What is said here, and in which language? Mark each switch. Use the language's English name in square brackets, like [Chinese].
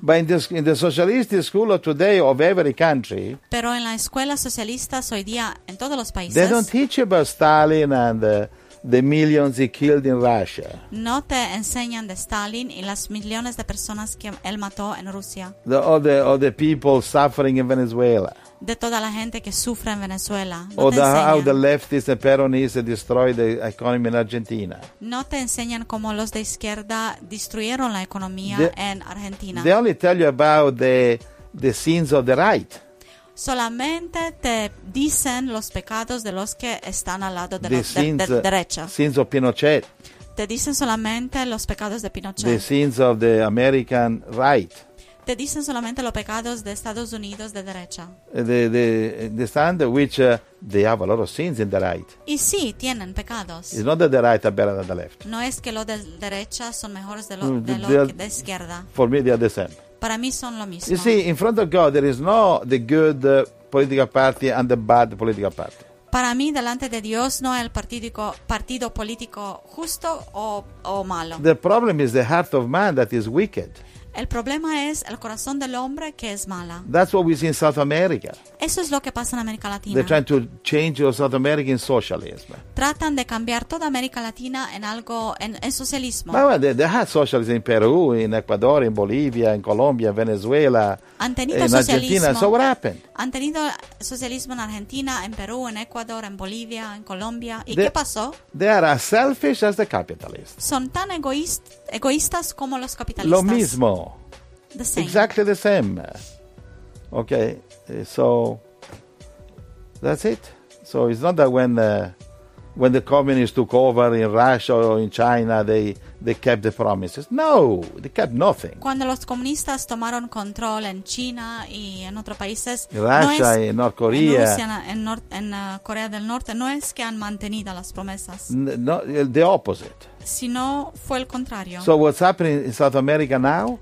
[English] But in the socialist school of today of every country. [Spanish] Pero en la escuela socialista hoy día en todos los países. [English] They don't teach about Stalin and the millions he killed in Russia. [Spanish] No te enseñan de Stalin y las millones de personas que él mató en Rusia. [English] The people suffering in Venezuela. [Spanish] De toda la gente que sufre en Venezuela. No te enseñan. [English] How the leftists and peronists destroyed the economy in Argentina. [Spanish] No te enseñan cómo los de izquierda destruyeron la economía en Argentina. [English] They only tell you about the sins of the right. [Spanish] Solamente te dicen los pecados de los que están al lado de derecha. [English] Sins of Pinochet. [Spanish] Te dicen solamente los pecados de Pinochet. [English] The sins of the American right. [Spanish] te dicen solamente los pecados de Estados Unidos de derecha. [English] The stand which they have a lot of sins in the right. [Spanish] Y sí, tienen pecados. [English] It's not that the right are better than the left. [Spanish] No es que los de derecha son mejores de los de izquierda. [English] For me, they are the same. [Spanish] Para mí son lo mismo. [English] You see, in front of God, there is no the good political party and the bad political party. [Spanish] Para mí, delante de Dios, no es el partido político justo o malo. [English] The problem is the heart of man that is wicked. [Spanish] El problema es el corazón del hombre que es mala. [English] That's what we see in South America. [Spanish] Eso es lo que pasa en América Latina. [English] They're trying to change South American socialism. [Spanish] Tratan de cambiar toda América Latina en algo, en socialismo. [English] But well, they had socialism in Peru, in Ecuador, in Bolivia, in Colombia, in Venezuela, [Spanish] han tenido [English] in [Spanish] socialismo. [English] Argentina. So what happened? [Spanish] Han tenido socialismo en Argentina, en Perú, en Ecuador, en Bolivia, en Colombia. ¿Y qué pasó? [English] They are as selfish as the capitalists. [Spanish] Son tan egoístas como los capitalistas. Lo mismo. [English] The same. Exactly the same. Okay, so that's it. So it's not that when the communists took over in Russia or in China, they kept the promises. No, they kept nothing. [Spanish] Cuando los comunistas tomaron control en China y en otros países, [English] in Russia, [Spanish] no es, [English] in North Korea, [Spanish] Corea del Norte, no es que han mantenido las promesas. [English] No, the opposite. [Spanish] Sino fue el contrario. [English] So what's happening in South America now?